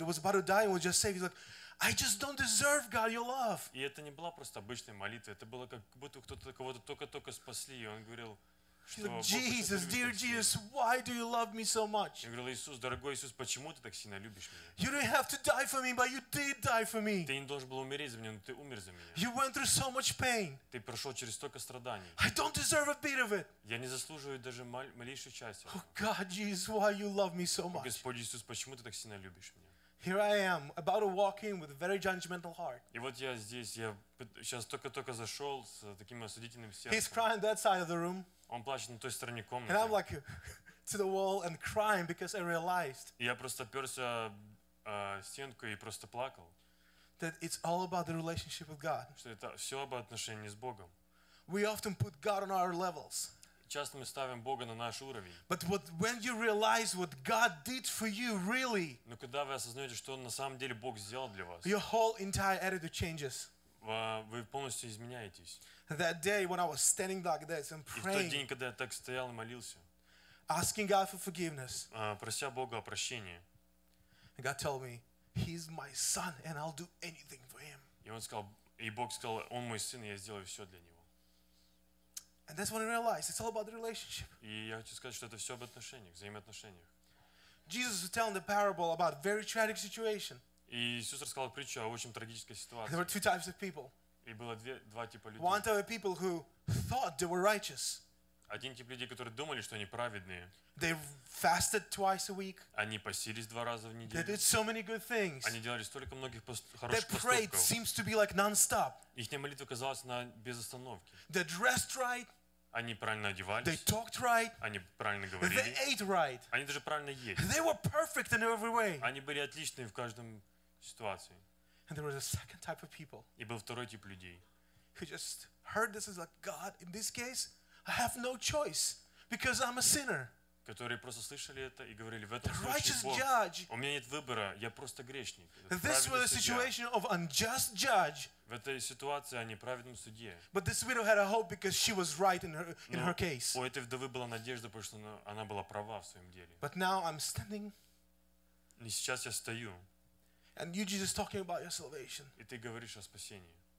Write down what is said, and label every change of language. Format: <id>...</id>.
<en>It was about to die and was just saved. He's like, "I just don't deserve God, your love."</en> <ru>И это не была просто обычная молитва. Это было как будто кто-то кого-то только-только спасли, и он говорил.</ru> <en>He's like, Jesus, dear Jesus, why do you love me so much?</en> <ru>Я говорил, Иисус, дорогой Иисус, почему ты так сильно любишь меня?</ru> <en>You didn't have to die for me, but you did die for me.</en> <ru>Ты не должен был умереть за меня, но ты умер за меня.</ru> <en>You went through so much pain.</en> <ru>Ты прошел через столько страданий.</ru> <en>I don't deserve a bit of it.</en> <ru>Я не заслуживаю даже малейшей части.</ru> <en>Oh God, Jesus, why you love me so much?</en> <ru>Господь Иисус, почему ты так сильно любишь меня?</ru> <en>Here I am, about to walk in with a very judgmental heart.</en> <ru>И вот я здесь, я сейчас только-только зашел с таким осудительным сердцем.</ru> <en>He's crying that side of the room.</en> <ru>Он плачет на той стороне комнаты.</ru> <en>And I'm like to the wall and crying because I realized.</en> <ru>Я просто пёрся стенку и просто плакал.</ru> <en>That it's all about the relationship with God.</en> <ru>Что это всё об отношении с Богом.</ru> <en>We often put God on our levels.</en> <ru>Часто мы ставим Бога на наш уровень.</ru> <en>But what, when you realize what God did for you, really.</en> <ru>Но когда вы осознаете, что на самом деле Бог сделал для вас.</ru> <en>Your whole entire attitude changes.</en> <ru>Вы полностью изменяетесь.</ru> <en>That day when I was standing like this and praying.</en> <ru>И в тот день, когда я так стоял и молился.</ru> <en>Asking God for forgiveness.</en> <ru>Прося Бога о прощении.</ru> <en>God told me, "He's my son, and I'll do anything for him."</en> <ru>И он сказал, и Бог сказал, он мой сын, и я сделаю все для него.</ru> <en>And that's when I realized it's all about the relationship.</en> <ru>И я хочу сказать, что это все об отношениях, взаимоотношениях.</ru> <en>Jesus was telling the parable about a very tragic situation.</en> <ru>И Иисус рассказал притчу о очень трагической ситуации.</ru> <en>There were two types of people.</en> <ru>И было два типа людей.</ru> <en>One type of people who thought they were righteous.</en> <ru>Один тип людей, которые думали, что они праведные.</ru> <en>They fasted twice a week.</en> <ru>Они постились два раза в неделю.</ru> <en>They did so many good things.</en> <ru>Они делали столько многих хороших поступков.</ru> <en>Their prayer seems to be like non-stop.</en> <ru>Ихняя молитва казалась на без остановки.</ru> <en>They dressed right.</en> <ru>Они правильно одевались.</ru> <en>They talked right.</en> <ru>Они правильно говорили.</ru> <en>They ate right.</en> <ru>Они даже правильно ели.</ru> <en>They were perfect in every way.</en> <ru>Они были отличны в каждом ситуации.</ru> <en>And there was a second type of people.</en> <ru>И был второй тип людей.</ru> <en>Who just heard this is like God. In this case, I have no choice because I'm a sinner.</en> <ru>Которые просто слышали это и говорили: в этом случае Бог, у меня нет выбора, я просто грешник.</ru> <en>This was a situation of unjust judge.</en> <ru>В этой ситуации они праведным судье.</ru> <en>But this widow had a hope because she was right in her case.</en> <ru>У этой вдовы была надежда, потому что она была права в своем деле.</ru> <en>But now I'm standing.</en> <ru>И сейчас я стою.</ru> <en>And you Jesus talking about your salvation.</en> <ru>И ты говоришь о спасении.</ru>